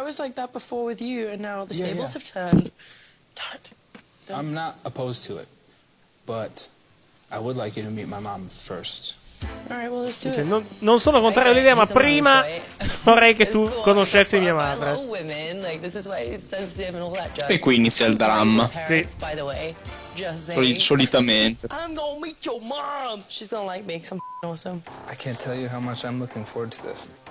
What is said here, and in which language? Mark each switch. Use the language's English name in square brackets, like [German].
[English] I was like that before with you, and now the tables have turned. Don't. I'm not opposed to it, but I would like you to meet my mom first. All right, well, let's do it. [Italian] Non sono contrario all'idea, ma prima vorrei che tu conoscessi mia madre. [English] I love women. Like, this is why it's sensitive and all that jazz. [Italian] E qui inizia il dramma. Sì. [English] By the way. [Italian] Solitamente. [English] I'm gonna meet your mom. She's gonna like make some f***ing awesome. I can't tell you how much I'm looking forward to this.